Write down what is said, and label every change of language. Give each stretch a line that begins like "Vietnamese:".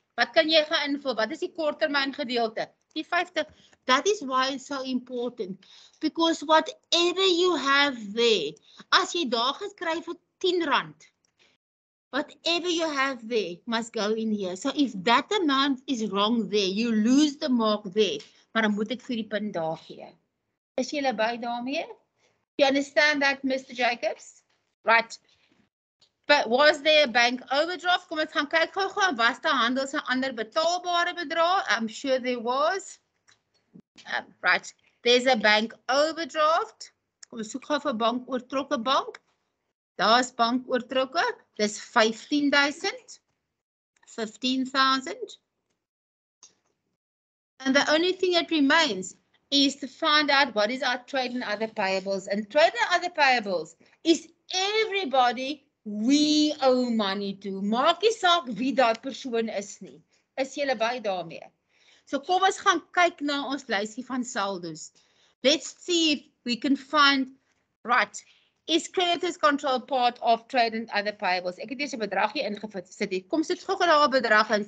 Afrikaans: Wat kan jy gaan invul? Wat is die korttermyn gedeelte? Die 50.
English: That is why it's so important. Because whatever you have there,
Afrikaans: as jy daar geskryf vir 10 rand,
English: whatever you have there must go in here. So if that amount is wrong there, you lose the mark there.
Afrikaans: Maar dan moet ek vir die punt daar gee. Is jy by daarmee?
English: Do you understand that, Mr. Jacobs? Right. But was there a bank overdraft?
Afrikaans: Kom ons gaan kyk gou-gou, was daar handels 'n ander betaalbare bedrag?
English: I'm sure there was. Right. There's a bank overdraft.
Afrikaans: Kom ons soek gou vir bank oortrokke bank. Daar's bank oortrokke. Dis 15,000. 15,000.
English: And the only thing that remains is to find out what is our trade and other payables. And trade and other payables is everybody we owe money to.
Afrikaans: Maak nie saak wie daai persoon is nie. Is jy by daarmee? So kom ons gaan kyk na ons lysie van saldos.
English: Let's see if we can find, right, is creditors control part of trade and other payables?
Afrikaans: Ek het hier 'n bedrag hier ingevat. Sit hier. Kom sit gou-gou daar 'n bedrag in.